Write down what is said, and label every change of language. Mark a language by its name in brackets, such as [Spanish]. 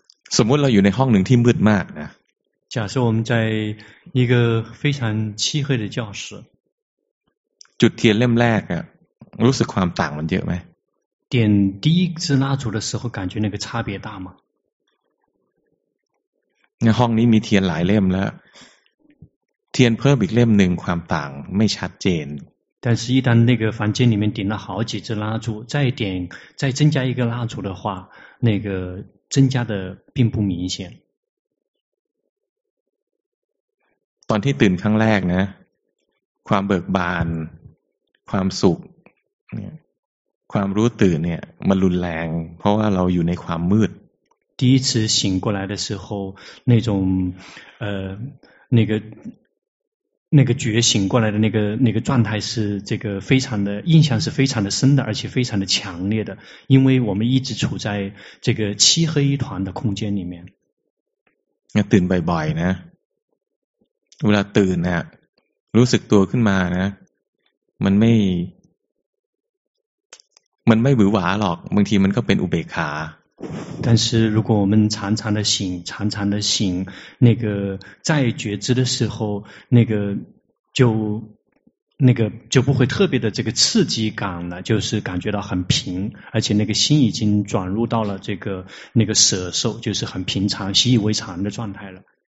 [Thai] สมมติเราอยู่ในห้องหนึ่งที่มืดมากนะ [Chinese] 假设我们在一个非常漆黑的教室。 [Thai] จุดเทียนเล่มแรกอะรู้สึกความต่างมันเยอะไหม [Chinese] 点第一支蜡烛的时候感觉那个差别大吗 [Thai] ในห้องนี้มีเทียนหลายเล่มแล้วเทียนเพิ่มอีกเล่มหนึ่งความต่างไม่ชัดเจน [Chinese] 但是一旦那个房间里面点了好几支蜡烛再点再增加一个蜡烛的话那个增加的并不明显 [Thai] ตอนที่ตื่นครั้งแรกนะความเบิกบานความสุขความรู้ตื่นเนี่ยมันรุนแรงเพราะว่าเราอยู่ในความมืด [Chinese] 第一次醒过来的时候那种那个觉醒过来的那个状态是这个非常的印象是非常的深的而且非常的强烈的因为我们一直处在这个漆黑一团的空间里面 [Thai] ตื่นบ่อยๆนะเวลาตื่นนะรู้สึกตัวขึ้นมานะมันไม่หวือหวาหรอกบางทีมันก็เป็นอุเบกขา [Chinese] 但是如果我们常常的醒常常的醒那个在觉知的时候那个就不会特别的这个刺激感了就是感觉到很平而且那个心已经转入到了这个那个舍受就是很平常习以为常的状态了